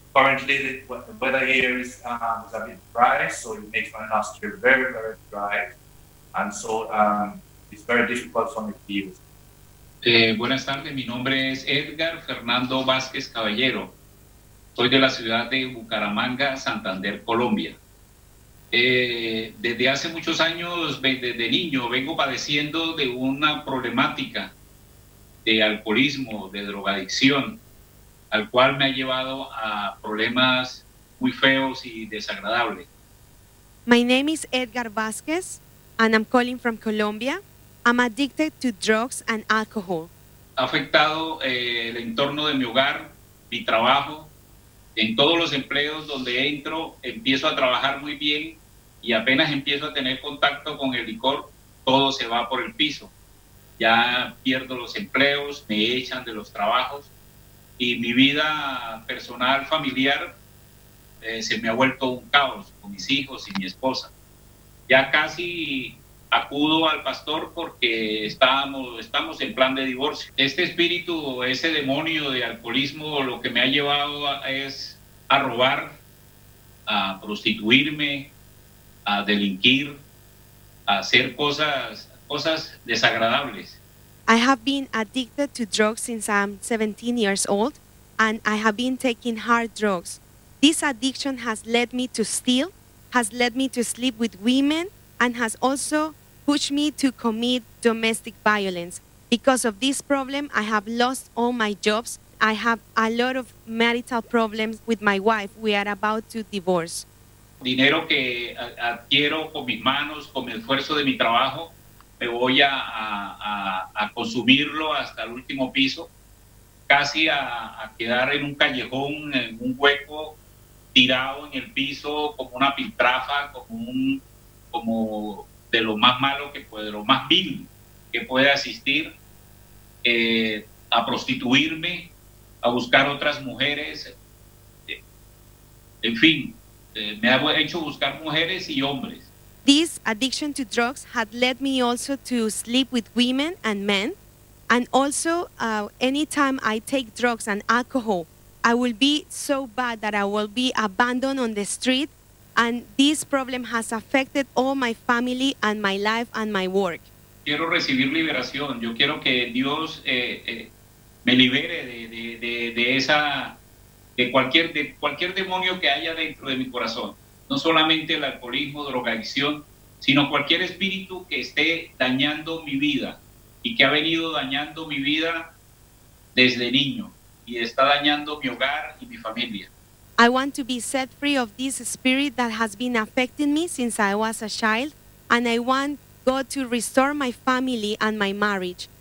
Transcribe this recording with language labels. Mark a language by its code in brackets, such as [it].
[en] Currently, the weather here is a bit dry, so it makes my nostrils very, very dry. And so it's very difficult for me to use. [es] Buenas tardes, mi nombre es Edgar Fernando Vázquez Caballero. Soy de la ciudad de Bucaramanga, Santander, Colombia. Desde hace muchos años, desde niño, vengo padeciendo de una problemática de alcoholismo, de drogadicción, al cual me ha llevado a problemas muy feos y desagradables. [en] My name is Edgar Vázquez, and I'm calling from Colombia. I'm addicted to drugs and alcohol. [es] Ha afectado el entorno de mi hogar, mi trabajo. En todos los empleos donde entro, empiezo a trabajar muy bien y apenas empiezo a tener contacto con el licor, todo se va por el piso. Ya pierdo los empleos, me echan de los trabajos y mi vida personal, familiar, se me ha vuelto un caos con mis hijos y mi esposa. Ya casi acudo al pastor porque estamos en plan de divorcio. Este espíritu, ese demonio de alcoholismo, lo que me ha llevado es a robar, a prostituirme, a delinquir, a hacer cosas desagradables. [en] I have been addicted to drugs since I'm 17 years old, and I have been taking hard drugs. This addiction has led me to steal, has led me to sleep with women, and has also push me to commit domestic violence. Because of this problem, I have lost all my jobs. I have a lot of marital problems with my wife. We are about to divorce. [es] Dinero que adquiero con mis manos, con el esfuerzo de mi trabajo, me voy a consumirlo hasta el último piso, casi a quedar en un callejón, en un hueco, tirado en el piso, como una piltrafa, como de lo más malo que puede, lo más vil que puede asistir, a prostituirme, a buscar otras mujeres, en fin, me ha hecho buscar mujeres y hombres. [en] This addiction to drugs had led me also to sleep with women and men, and also anytime I take drugs and alcohol, I will be so bad that I will be abandoned on the street. And this problem has affected all my family and my life and my work. [es] Quiero recibir liberación. Yo quiero que Dios me libere de esa, de cualquier demonio que haya dentro de mi corazón. No solamente el alcoholismo, drogadicción, sino cualquier espíritu que esté dañando mi vida y que ha venido dañando mi vida desde niño y está dañando mi hogar y mi familia. [en] I want to be set free of this spirit that has been affecting me since I was a child, and I want God to restore my family and my marriage.